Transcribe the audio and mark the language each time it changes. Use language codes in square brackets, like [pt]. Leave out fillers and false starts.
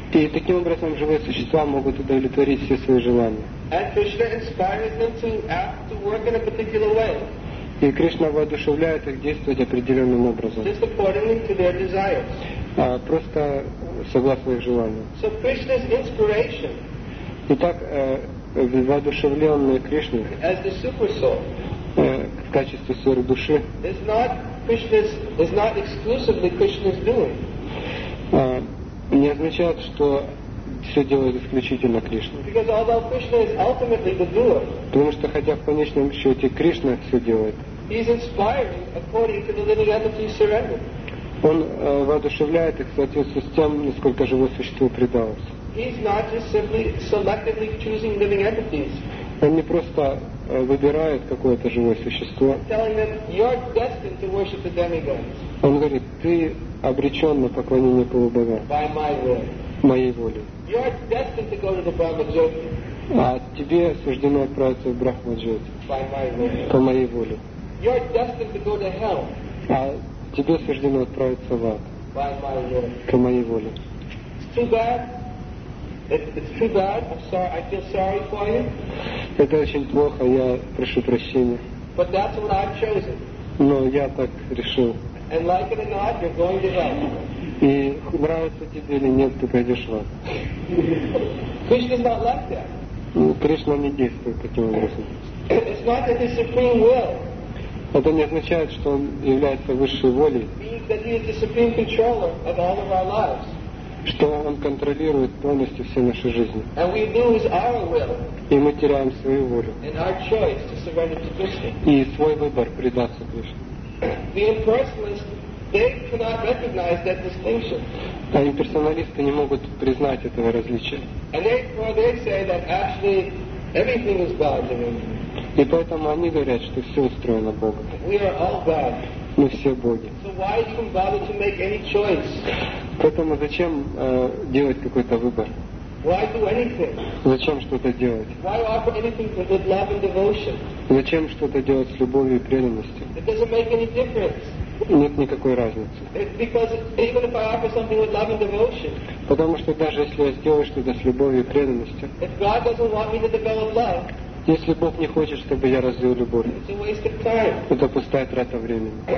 [ru] И таким образом живые существа могут удовлетворить все свои желания. [en] And Krishna inspires them to act to work in a particular way. [ru] И Кришна воодушевляет их действовать определенным образом. [en] Just accordingly to their desires. [ru] Просто согласно их желанию. [en] So Krishna's inspiration. [ru] Итак, воодушевленные Кришны [en] as the super soul, [ru] в качестве сверх души [en] is not exclusively Krishna's doing. [ru] Не означает, что все делает исключительно Кришна. [en] Because although Krishna is ultimately the doer, [ru] потому что хотя в конечном счете Кришна все делает, [en] he's inspiring according to the living entity surrender. [ru] Он воодушевляет их в соответствии с тем, насколько живое существо предалось. [en] He's not just simply selectively choosing living entities. [ru] Он не просто выбирает какое-то живое существо. [en] Telling them you're destined to worship the demigods. [ru] Он говорит, ты обречен на поклонение полубогам. [en] By my will. [ru] Моей волей. [en] You're destined to go to the Brahma-jyoti. [ru] А тебе суждено отправиться в Брахма-джоти. [en] By my will. [ru] По моей воле. [en] You're destined to go to hell. [ru] А тебе суждено отправиться в ад. [en] By my will. [ru] По моей воле. [en] It's too bad. I'm sorry. I feel sorry for you. [ru] Это очень плохо. Я прошу прощения. [en] But that's what I've chosen. [ru] Но я так решил. [en] And like it or not, you're going to hell. [ru] И нравится тебе или нет, ты пойдешь в ад. [en] Krishna's not like that. [ru] Кришна не действует таким образом. [en] It's not that his supreme will. [ru] Это не означает, что он является высшей волей. [en] Means that he is the supreme controller of all of our lives. [ru] Что он контролирует полностью все наши жизни. [en] And we lose our will. [ru] И мы теряем свою волю. [en] And our choice to surrender to Krishna. [ru] И свой выбор предаться Кришне. [en] The impersonalists, they cannot recognize that distinction. [ru] А имперсоналисты не могут признать этого различия. [en] And therefore they say that actually everything is God in him. [ru] И поэтому они говорят, что все устроено Богом. [en] We are all God. [ru] Мы все боги. [en] So why even bother to make any choice? [ru] Поэтому зачем делать какой-то выбор? [en] Why do anything? [ru] Зачем что-то делать? [en] Why offer anything with love and devotion? [ru] Зачем что-то делать с любовью и преданностью? [en] It doesn't make any difference. [ru] Нет никакой разницы. [en] Because even if I offer something with love and devotion, [ru] потому что даже если я сделаю что-то с любовью и преданностью, [en] if God doesn't want me to develop love, [ru] если Бог не хочет, чтобы я развил любовь, это пустая трата времени.